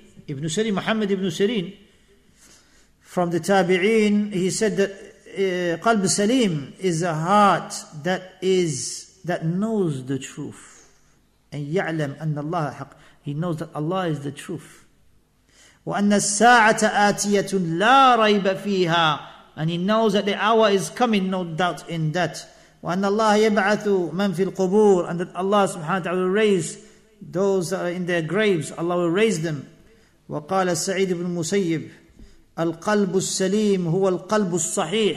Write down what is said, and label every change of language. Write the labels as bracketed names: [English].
[English] ابن سيرين, محمد ابن سيرين, from the تابعين, he said that [Arabic] قلب سليم [English] is a heart that knows the truth. [Arabic] أن يعلم أن الله حق, [English] he knows that Allah is the truth. [Arabic] وأن الساعة آتية لا ريب فيها, [English] and he knows that the hour is coming, no doubt in that. [Arabic] وَأَنَّ اللَّهَ يَبْعَثُ مَنْ فِي الْقُبُورِ, [English] and that Allah subhanahu wa ta'ala will raise those that are in their graves. Allah will raise them. [Arabic] وَقَالَ السَّعِيدُ بْنُ مُسَيِّبُ الْقَلْبُ السَّلِيمُ هُوَ الْقَلْبُ الصَّحِيحُ.